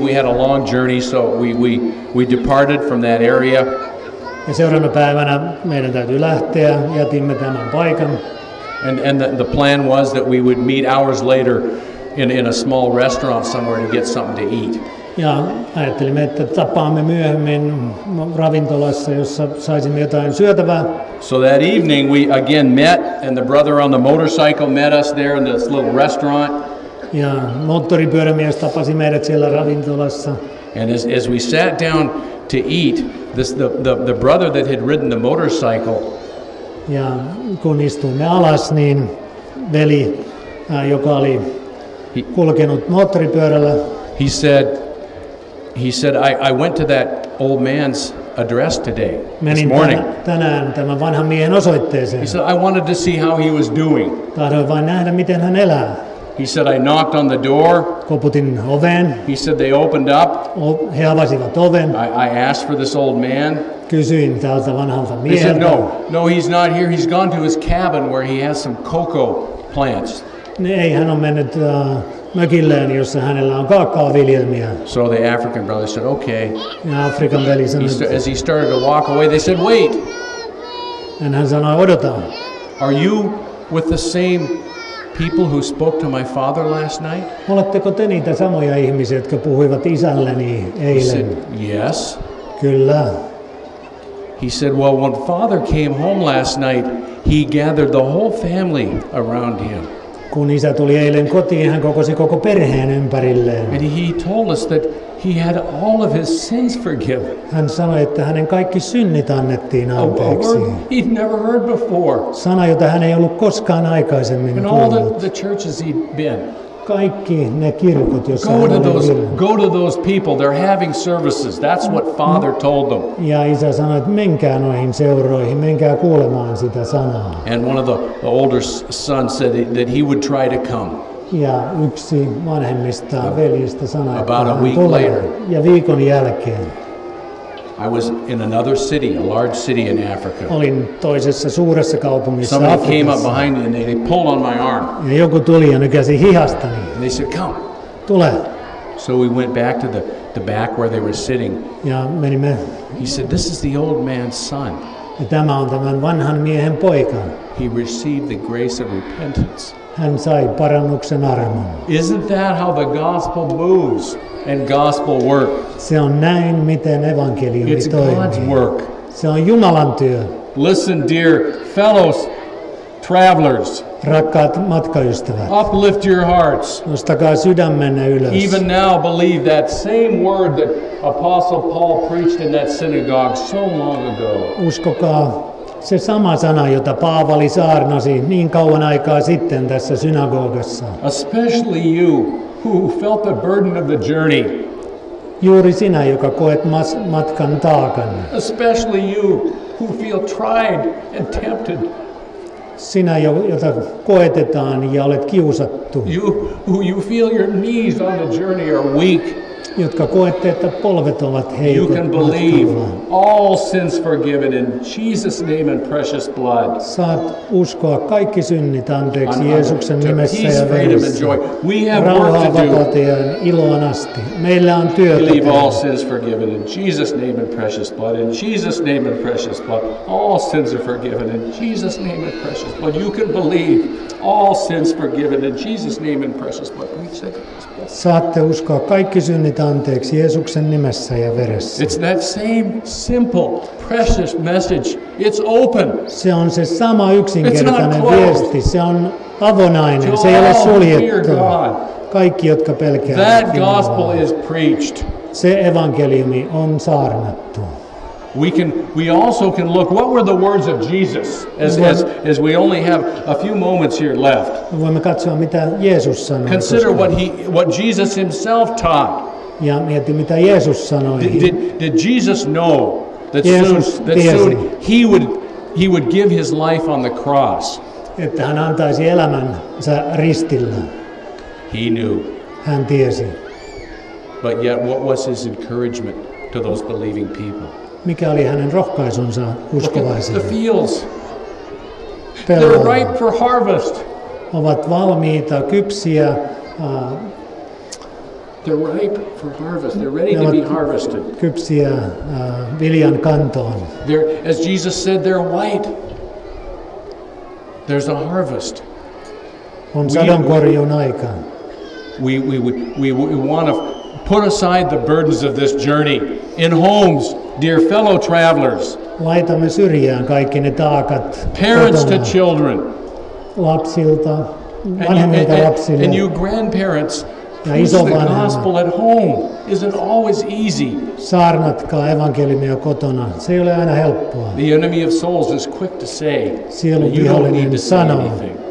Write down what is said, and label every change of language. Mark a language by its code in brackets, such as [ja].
[en] We had a long journey, so we departed from that area. [fi] Ja seuraavana päivänä meidän täytyy lähteä, jätimme tämän paikan. [en] And the plan was that we would meet hours later in a small restaurant somewhere to get something to eat. [fi] Ja ajattelimme, että tapaamme myöhemmin ravintolassa, jossa saisimme jotain syötävää. [en] So that evening we again met, and the brother on the motorcycle met us there in this little restaurant. [fi] Ja moottoripyörämies tapasi meidät siellä ravintolassa. [en] And as we sat down to eat, the brother that had ridden the motorcycle. [fi] Ja kun istuimme alas, niin veli, joka oli kulkenut moottoripyörällä. [en] He said, I went to that old man's address today, this morning. [fi] Tänään tämän vanhan miehen osoitteeseen. [en] He said, I wanted to see how he was doing. [fi] Tahdoin vain nähdä, miten hän elää. [en] He said, I knocked on the door. [fi] Koputin oveen. [en] He said, they opened up. [fi] He avasivat oven. [en] I asked for this old man. [fi] Kysyin tältä vanhalta mieheltä. [en] He said, no, he's not here. He's gone to his cabin where he has some cocoa plants. [fi] Ei, hän on mennyt mökilleen, jossa hänellä on kaakkaa viljelmiä. [en] So the African brother said, okay. [fi] Ja Afrikan veli sanoi, [en] as he started to walk away, they said, wait. [fi] And hän sanoi, odota. [en] Are you with the same people who spoke to my father last night? [fi] Oletteko te niitä samoja ihmisiä, jotka puhuivat isälleni eilen? [en] He said, yes. [fi] Kyllä. [en] He said, well, when father came home last night, he gathered the whole family around him. [fi] Kun isä tuli eilen kotiin, hän kokosi koko perheen ympärilleen. [en] And he told us that he had all of his sins forgiven. [fi] Hän sanoi, että hänen kaikki synnit annettiin anteeksi. [en] A word he'd never heard before. [fi] Sana, jota hän ei ollut koskaan aikaisemmin kuullut. [en] And all the churches he'd been. [fi] Kaikki ne kirkot, joissa hän oli vielä. [en] Go to those people, they're having services. That's what father told them. [fi] Ja isä sanoi, että menkää noihin seuroihin, menkää kuulemaan sitä sanaa. [en] And one of the older sons said that he would try to come. [fi] Ja yksi vanhemmista veljistä sanoi, [en] about [fi] että hän [en] a week [fi] tulee. [en] Later, [fi] ja viikon jälkeen. [en] I was in another city, a large city in Africa. [fi] Olin toisessa suuressa kaupungissa [en] Somebody [fi] Afrikassa. [en] Came up behind me and they pulled on my arm. [fi] Ja joku tuli ja nykäsi hihastani. [en] And they said, come. [fi] Tule. [en] So we went back to the back where they were sitting. [fi] Ja menimme. [en] He said, this is the old man's son. [fi] Ja tämä on tämän vanhan miehen poika. [en] He received the grace of repentance. [fi] Hän sai parannuksen armon. [en] Isn't that how the gospel moves? And gospel work. [fi] Se on näin, miten evankeliumi toimii. [en] It's God's work. [fi] Se on Jumalan työ. [en] Listen, dear fellow travelers. [fi] Rakkaat matkaystävät. [en] Uplift your hearts. [fi] Nostakaa sydämenne ylös. [en] Even now, believe that same word that Apostle Paul preached in that synagogue so long ago. [fi] Uskokaa se sama sana, jota Paavali saarnasi niin kauan aikaa sitten tässä synagogassa. [en] Especially you. Who felt the burden of the journey? [fi] Juuri sinä, joka koet matkan taakan. [en] Especially you who feel tried and tempted. [fi] Sinä, jota koetetaan ja olet kiusattu. [en] You who you feel your knees on the journey are weak. [fi] Jotka koette, että polvet ovat heikot. [en] You can believe all sins forgiven in Jesus' name and precious blood. [fi] Saat uskoa kaikki synnit anteeksi Jeesuksen nimessä ja verissä. [en] We have work to do. [fi] Iloon asti. Meillä on työtä. [en] Believe all sins forgiven in Jesus' name and precious blood. In Jesus' name and precious blood. All sins are forgiven in Jesus' name and precious blood. You can believe all sins forgiven in Jesus' name and precious blood. [fi] Saatte uskoa kaikki synnit anteeksi Jeesuksen nimessä ja veressä. [en] It's that same simple, precious message. It's open. [fi] Se on se sama yksinkertainen [en] It's [fi] viesti. Se on avonainen. Se ei ole suljettu. Kaikki, jotka pelkäävät [en] That gospel is preached. [fi] Se evankeliumi on saarnattu. [en] We also can look what were the words of Jesus as we only have a few moments here left. [fi] Voimme katsoa, mitä Jeesus sanoi. [en] Consider what Jesus himself taught. [fi] Ja mieti, mitä Jeesus sanoi. [en] Did Jesus know that soon he would give his life on the cross? [fi] Että hän antaisi elämänsä ristillä. [en] He knew. [fi] Hän tiesi. [en] But yet what was his encouragement to those believing people? [fi] Mikä oli hänen rohkaisunsa uskovaisille? [en] The fields. They're ripe for harvest. [fi] Ovat valmiita, kypsiä. [en] They're ripe for harvest. They're ready to be harvested. [fi] Kypsiä viljan kantoon. [en] They're, as Jesus said, they're white. There's a harvest. [fi] On sadonkorjuun aika. [en] We want to put aside the burdens of this journey in homes. Dear fellow travelers, [fi] laitamme syrjään kaikki ne taakat. [en] Parents to children, [fi] lapsilta, vanhemmilta lapsille. [en] And you grandparents, preach the gospel at home. Is it always easy? [fi] Saarnatkaa evankeliumia kotona. Se ei ole aina helppoa. [en] The enemy of souls is quick to say, you don't need to say anything.